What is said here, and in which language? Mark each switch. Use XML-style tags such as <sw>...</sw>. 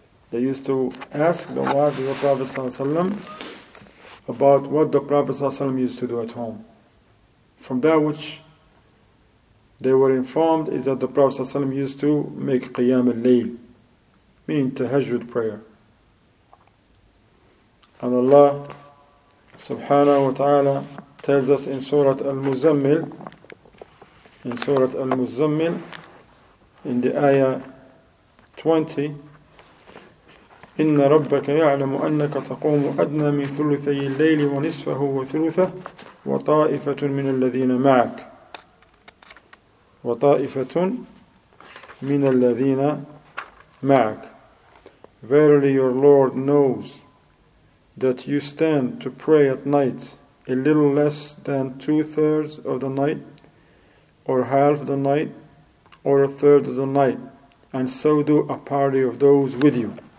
<en>They used to ask the wives of the Prophet ﷺ about what the Prophet ﷺ used to do at home. From that which they were informed is that the Prophet ﷺ used to make Qiyam al-Layl, meaning tahajjud prayer. And Allah subhanahu wa ta'ala tells us in Surah Al-Muzammil, in Surah Al-Muzammil, in the ayah 20,</en> <ar>إِنَّ رَبَّكَ يَعْلَمُ أَنَّكَ تَقُومُ أَدْنَى مِنْ ثُلُثَيِ اللَّيْلِ وَنِصْفَهُ وَثُلُثَهُ وَطَائِفَةٌ مِنَ الَّذِينَ مَعَكَ وَطَائِفَةٌ مِنَ الَّذِينَ مَعَكَ.</ar> <en>Verily your Lord knows that you stand to pray at night a little less than two-thirds of the night, or half the night, or a third of the night, and so do a party of those with you.</en>